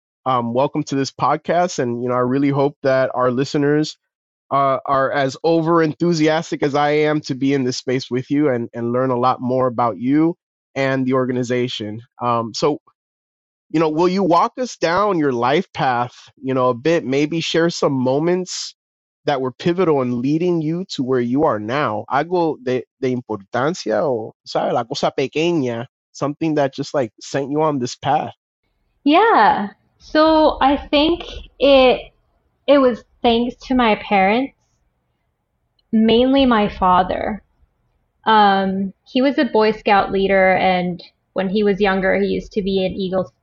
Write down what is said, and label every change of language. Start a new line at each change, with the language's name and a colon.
English: Welcome to this podcast. And, you know, I really hope that our listeners are as over enthusiastic as I am to be in this space with you and learn a lot more about you and the organization. You know, will you walk us down your life path, you know, a bit, maybe share some moments that were pivotal in leading you to where you are now?
Spanish: Algo de importancia o, ¿sabes? La cosa pequeña,
English: something that just like sent you on this path. Yeah. So I think it was thanks to my parents, mainly my father. He was a Boy Scout leader, and when he was younger, he used to be an Eagle Scout.